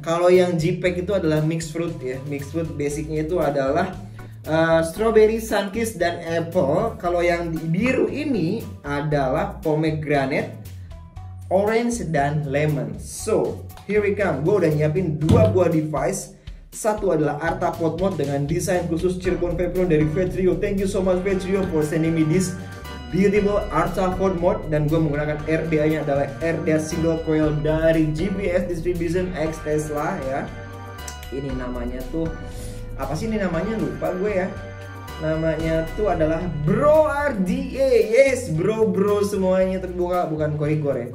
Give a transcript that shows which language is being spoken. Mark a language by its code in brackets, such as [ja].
[id] Kalau yang JPEG itu adalah mixed fruit ya. Mixed fruit basicnya itu adalah strawberry, sunkissed, dan apple. Kalau yang biru ini adalah pomegranate, orange, dan lemon. [en] So, here we come. [id] Gue udah nyiapin dua buah device. Satu adalah Arta Pot Mod dengan desain khusus Cirebon Peperon dari Vetrio. [en] Thank you so much Vetrio for sending me this beautiful Arta Pot Mod. [id] Dan gue menggunakan RDA-nya adalah RDA single coil dari GBS Distribution X Tesla ya. Ini namanya tuh apa sih ini namanya? Lupa gue ya. Namanya tuh adalah Bro RDA. Yes, bro-bro semuanya. Terbuka bukan koigor ya.